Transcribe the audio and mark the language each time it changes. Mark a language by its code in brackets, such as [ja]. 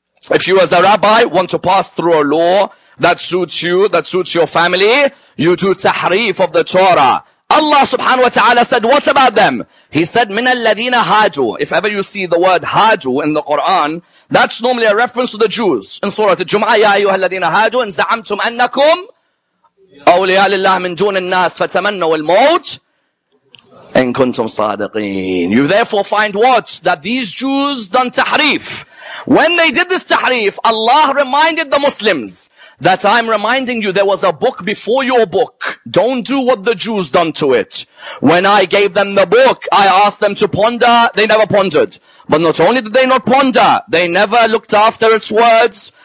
[en] If you as a rabbi want to pass through a law that suits you, that suits your family, you do tahrif of the Torah. Allah subhanahu wa ta'ala said, what about them? He said, [ar] مِنَ الَّذِينَ هَادُوا [en] If ever you see the word هَادُوا in the Quran, that's normally a reference to the Jews. In Surah Al-Jum'ah, [ar] يَا أَيُّهَا الَّذِينَ هَادُوا إِنْ زَعَمْتُمْ أَنَّكُمْ أَوْلِيَا لِلَّهِ مِنْ دُونِ النَّاسِ فَتَمَنَّوا الْمَوْتِ إِنْ كُنْتُمْ صَادِقِينَ [en] You therefore find what? That these Jews done tahrif. When they did this tahrif, Allah reminded the Muslims that I'm reminding you there was a book before your book. Don't do what the Jews done to it. When I gave them the book, I asked them to ponder. They never pondered. But not only did they not ponder, they never looked after its words.